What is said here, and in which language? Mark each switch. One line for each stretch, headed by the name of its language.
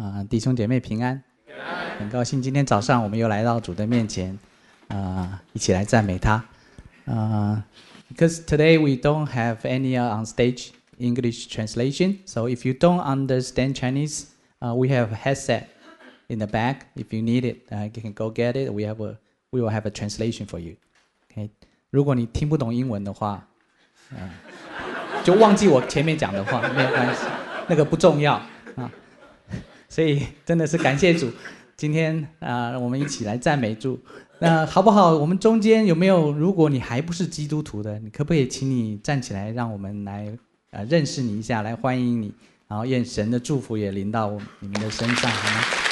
Chinese: 弟兄姐妹平安，很高兴今天早上我们又来到主的面前，一起来赞美他。
English: Because today we don't have any on stage English translation, so if you don't understand Chinese, we have a headset in the back. If you need it, you can go get it. We will have a translation for you. Okay.
Chinese: 如果你听不懂英文的话，就忘记我前面讲的话，没有关系，那个不重要啊。所以真的是感谢主，今天我们一起来赞美主。那好不好，我们中间有没有，如果你还不是基督徒的，你可不可以请你站起来，让我们来认识你一下，来欢迎你，然后愿神的祝福也临到你们的身上，好吗？